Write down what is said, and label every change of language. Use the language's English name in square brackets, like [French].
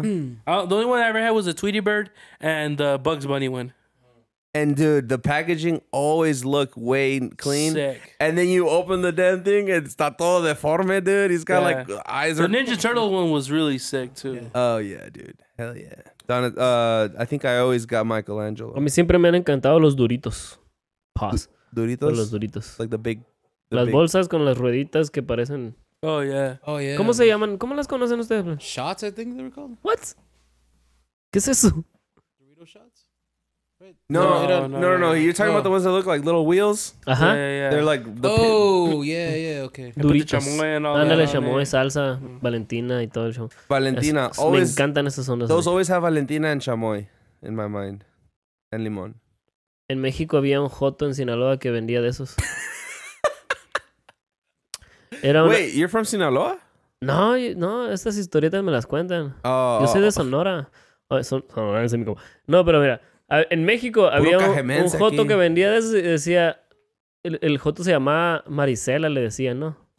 [English] The only one I ever had was the Tweety Bird and the Bugs Bunny one. And dude, the packaging always looked way clean. Sick. And then you open the damn thing and it's [Spanish] todo deforme, [English] dude. He's got like eyes. The Ninja Turtle one was really sick too. Yeah. Oh yeah, dude. Hell yeah. I think I always got Michelangelo. [Spanish] A mí siempre me han encantado los Doritos. Duritos? Los Duritos. [English] Like [Spanish] Las bolsas con las rueditas que parecen. [English] Oh, yeah. Oh, yeah. [Spanish] ¿Cómo se llaman? ¿Cómo las conocen ustedes? [English] Shots, I think they were called. What? [Spanish] ¿Qué es eso? [English] Dorito shots? No. You're talking about the ones that look like little wheels? [Spanish] Ajá. [English] Yeah. They're like the okay. [Spanish] Duritos. Ándale, chamoy, salsa, Valentina y todo el show. Valentina. Me encantan esas ondas. [English] Those always have Valentina and chamoy in my mind. And limón. [Spanish] En México había un joto en Sinaloa que vendía de esos. [English] Wait, you're from Sinaloa? [Spanish] No, estas historietas me las cuentan. [English] Oh. [Spanish] Yo soy de Sonora. Sonora es mi compa. No, pero mira, en México había un joto que vendía de esos y decía, el joto se llamaba Marisela, le decían, ¿no?